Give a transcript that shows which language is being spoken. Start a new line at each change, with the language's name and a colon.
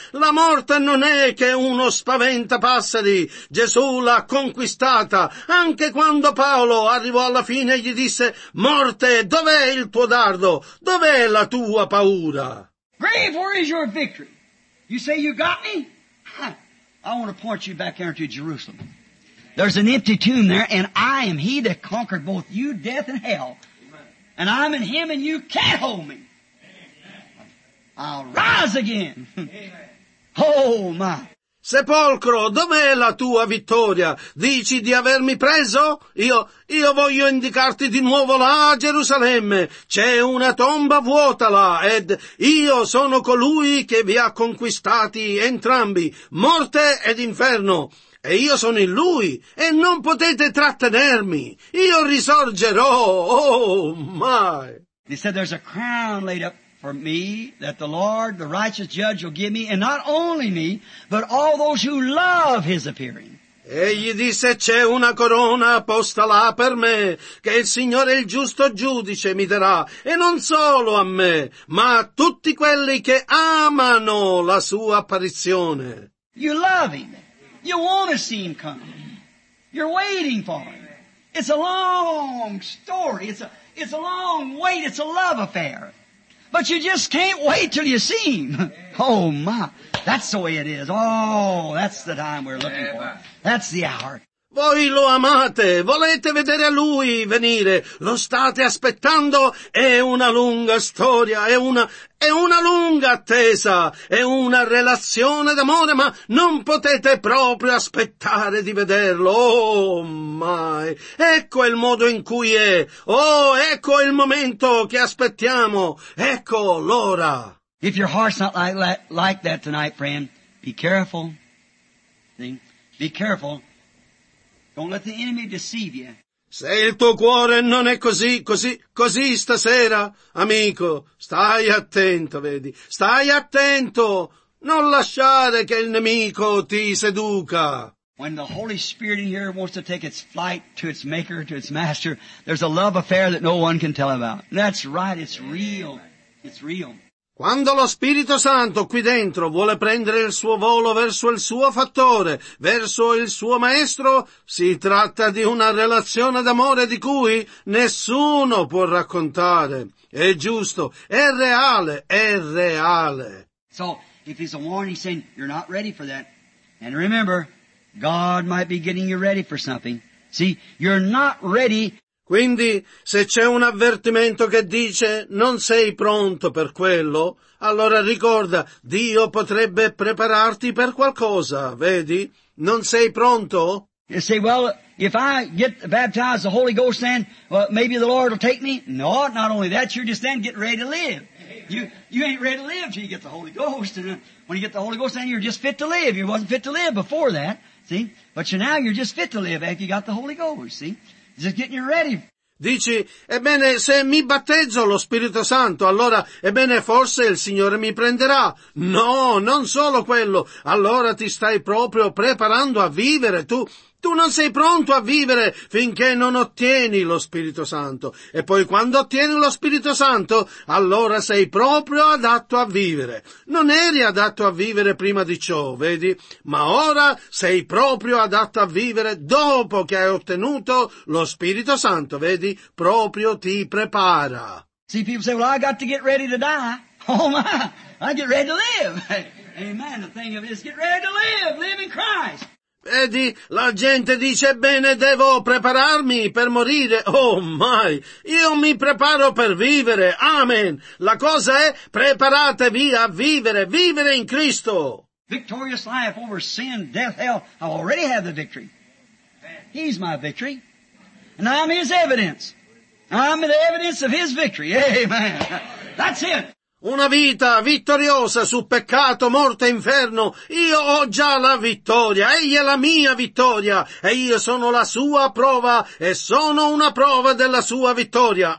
Italian: La morte non è che uno spaventapasseri, Gesù l'ha conquistata. Anche quando Paolo arrivò alla fine e gli disse, morte, dov'è il tuo dardo? Dov'è la tua paura?
English: Grave, where is your victory? You say you got me? I want to point you back there to Jerusalem. There's an empty tomb there, and I am he that conquered both you, death, and hell. And I'm in him, and you can't hold me. I'll rise again. Oh, my.
Italian: Sepolcro, dov'è la tua vittoria? Dici di avermi preso? Io voglio indicarti di nuovo là a Gerusalemme. C'è una tomba vuota là, ed io sono colui che vi ha conquistati entrambi, morte ed inferno. E io sono in lui, e non potete trattenermi. Io risorgerò,
English: oh my. He said there's a crown laid up for me, that the Lord, the righteous judge, will give me, and not only me, but all those who love his appearing.
Italian: Egli disse, c'è una corona posta là per me, che il Signore, il giusto giudice, mi darà, e non solo a me, ma a tutti quelli che amano la sua apparizione.
English: You love him. You want to see him come. You're waiting for him. It's a long story. It's a long wait. It's a love affair. But you just can't wait till you see him. Oh, my. That's the way it is. Oh, that's the time we're looking for. That's the hour.
Italian: Voi lo amate, volete vedere a lui venire, lo state aspettando, è una lunga storia, è una lunga attesa, è una relazione d'amore, ma non potete proprio aspettare di vederlo, oh mai, ecco il modo in cui è, oh ecco il momento che aspettiamo, ecco l'ora.
English: If your heart's not like that tonight, friend, be careful, be careful. Don't let the enemy deceive you.
Italian: Se il tuo cuore non è così stasera, amico, stai attento, vedi. Stai attento. Non lasciare che il nemico ti seduca.
English: When the Holy Spirit in here wants to take its flight to its maker, to its master, there's a love affair that no one can tell about. That's right, it's real. It's real.
Italian: Quando lo Spirito Santo qui dentro vuole prendere il suo volo verso il suo fattore, verso il suo maestro, si tratta di una relazione d'amore di cui nessuno può raccontare. È giusto, è reale, è reale.
English: So, if it's a warning saying you're not ready for that, and remember, God might be getting you ready for something. See, you're not ready.
Italian: Quindi, se c'è un avvertimento che dice non sei pronto per quello, allora ricorda, Dio potrebbe prepararti per qualcosa, vedi? Non sei pronto?
English: You say, well, if I get baptized the Holy Ghost then, well, maybe the Lord will take me? No, not only that, you're just then getting ready to live. You ain't ready to live till you get the Holy Ghost. And when you get the Holy Ghost then, you're just fit to live. You wasn't fit to live before that, see? But you now you're just fit to live after you got the Holy Ghost, see? Just getting you ready.
Italian: Dici, ebbene, se mi battezzo lo Spirito Santo, allora, ebbene, forse il Signore mi prenderà. No, non solo quello. Allora ti stai proprio preparando a vivere. Tu non sei pronto a vivere finché non ottieni lo Spirito Santo. E poi quando ottieni lo Spirito Santo, allora sei proprio adatto a vivere. Non eri adatto a vivere prima di ciò, vedi? Ma ora sei proprio adatto a vivere dopo che hai ottenuto lo Spirito Santo, vedi? Proprio ti prepara.
English: See, people say, well, I got to get ready to die. Oh my, I get ready to live. Amen. The thing of it is, get ready to live. Live in Christ.
Italian: Vedi, la gente dice, bene, devo prepararmi per morire. Oh, mai! Io mi preparo per vivere. Amen! La cosa è, preparatevi a vivere. Vivere in Cristo!
English: Victorious life over sin, death, hell. I already have the victory. He's my victory. And I'm his evidence. I'm the evidence of his victory. Amen! That's it!
Italian: Una vita vittoriosa su peccato, morte e inferno. Io ho già la vittoria, egli è la mia vittoria, e io sono la sua prova, e sono una prova della sua vittoria.